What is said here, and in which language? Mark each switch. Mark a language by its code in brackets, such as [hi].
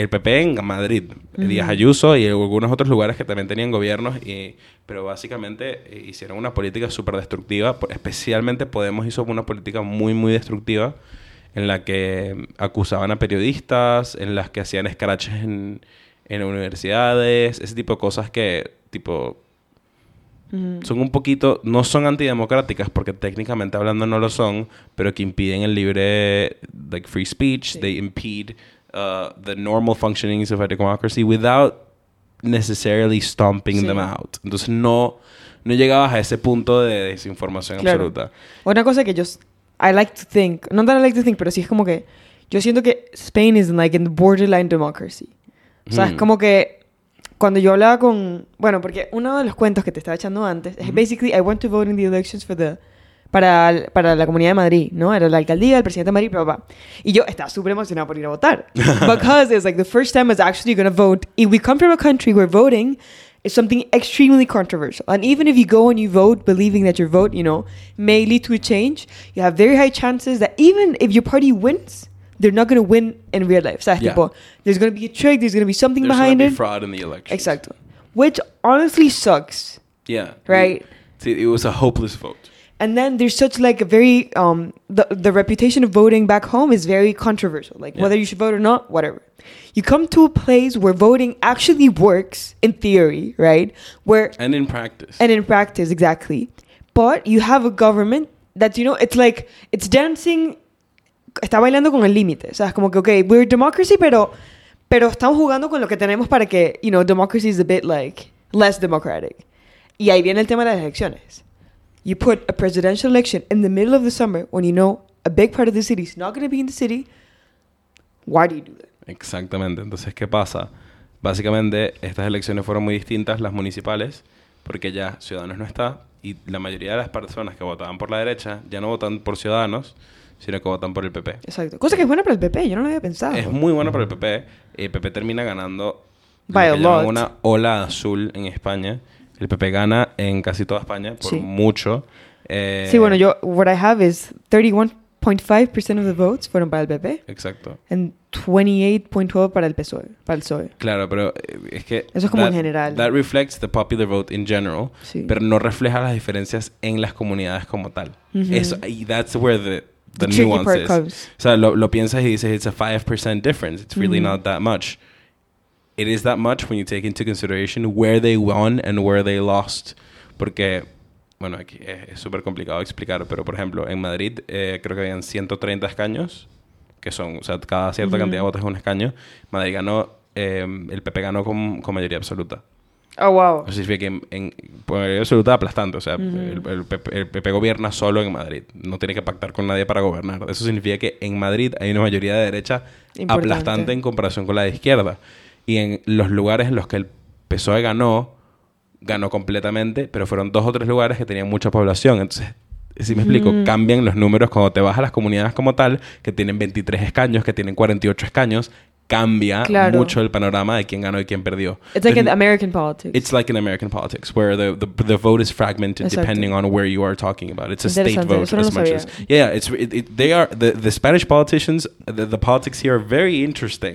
[es] El PP en Madrid, Díaz Ayuso y algunos otros lugares que también tenían gobiernos, pero básicamente hicieron una política súper destructiva, especialmente Podemos hizo una política muy, muy destructiva en la que acusaban a periodistas, en las que hacían escraches en universidades, ese tipo de cosas que, tipo, son un poquito, no son antidemocráticas porque técnicamente hablando no lo son, pero que impiden el libre, like, free speech. Sí. [en] They impede the normal functionings of a democracy without necessarily stomping them out. [es] Entonces no llegabas a ese punto de desinformación absoluta. Una cosa que sí es como que yo siento que Spain is like in the borderline democracy. O sea, es como que cuando yo hablaba con... Bueno, porque uno de los cuentos que te estaba echando antes es basically, I went to vote in the elections for the... Para la Comunidad de Madrid, ¿no? Era la alcaldía, el presidente de Madrid, papá. Y yo estaba súper emocionada por ir a votar. [en] Because it's like the first time I was actually going to vote. If we come from a country where voting is something extremely controversial. And even if you go and you vote believing that your vote, you know, may lead to a change, you have very high chances that even if your party wins... They're not going to win in real life. O sea, tipo, there's going to be a trick, there's going to be something there's behind it. There's going to be fraud in the elections. Exacto. Which honestly sucks. Yeah. Right? It was a hopeless vote. And then there's such like a very, the reputation of voting back home is very controversial. Like whether you should vote or not, whatever. You come to a place where voting actually works in theory, right? Where And in practice. And in practice, exactly. But you have a government that, you know, it's like, it's dancing... [es] Está bailando con el límite. O sea, es como que, okay, we're democracy, pero estamos jugando con lo que tenemos para que, you know, democracy is a bit, like, less democratic. Y ahí viene el tema de las elecciones. [en] You put a presidential election in the middle of the summer when you know a big part of the city is not going to be in the city. Why do you do that? [es] Exactamente. Entonces, ¿qué pasa? Básicamente, estas elecciones fueron muy distintas, las municipales, porque ya Ciudadanos no está y la mayoría de las personas que votaban por la derecha ya no votan por Ciudadanos, sino que votan por el PP. Exacto. Cosa que es buena para el PP. Yo no lo había pensado. Es muy buena para el PP. El PP termina ganando... [en] By a lot. [es] Una ola azul en España. El PP gana en casi toda España por mucho. [en] Sí, bueno, yo... What I have is 31.5% of the votes fueron para el PP. [es] Exacto. And 28.12% para el PSOE. Para el PSOE. Claro, pero es que... Eso es como en general. [en] That reflects the popular vote in general. [es] Sí. Pero no refleja las diferencias en las comunidades como tal. Mm-hmm. [en] Eso, y that's where the nuances. Tricky part comes. O sea, lo piensas y dices, it's a 5% difference. It's really not that much. It is that much when you take into consideration where they won and where they lost. [es] Porque, bueno, aquí es súper complicado explicar, pero por ejemplo, en Madrid creo que habían 130 escaños que son, o sea, cada cierta cantidad de votos es un escaño. Madrid ganó, el PP ganó con mayoría absoluta. Oh, wow. O sea, significa que en mayoría absoluta aplastante. O sea, el PP gobierna solo en Madrid. No tiene que pactar con nadie para gobernar. Eso significa que en Madrid hay una mayoría de derecha importante, aplastante en comparación con la de izquierda. Y en los lugares en los que el PSOE ganó, ganó completamente, pero fueron dos o tres lugares que tenían mucha población. Entonces, si me explico, cambian los números cuando te vas a las comunidades como tal, que tienen 23 escaños, que tienen 48 escaños, cambia mucho el panorama de quién ganó y quién perdió. [en] It's like an American politics. It's like an American politics, where the vote is fragmented. Exacto. Depending on where you are talking about. It's a state vote as much as... Yeah, it's, they are... The Spanish politicians, the politics here are very interesting.